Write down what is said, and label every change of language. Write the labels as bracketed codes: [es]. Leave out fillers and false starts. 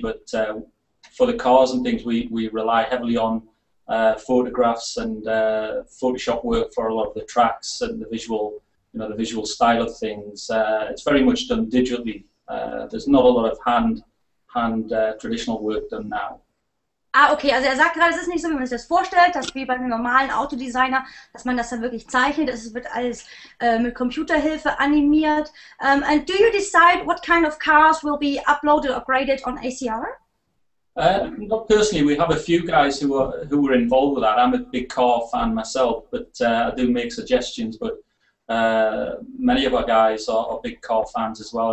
[en] But for the cars and things, we rely heavily on photographs and Photoshop work for a lot of the tracks and the visual, you know, the visual style of things. It's very much done digitally. There's not a lot of hand traditional work done now. [de] Ah, okay, also er sagt gerade, es ist nicht so, wie man sich das vorstellt, dass wie bei einem normalen Autodesigner, dass man das dann wirklich zeichnet. Es wird alles mit Computerhilfe animiert. [en] And do you decide what kind of cars will be uploaded or graded on ACR? Not personally, we have a few guys who are involved with that. I'm a big car fan myself, but I do make suggestions, but many of our guys are big car fans as well.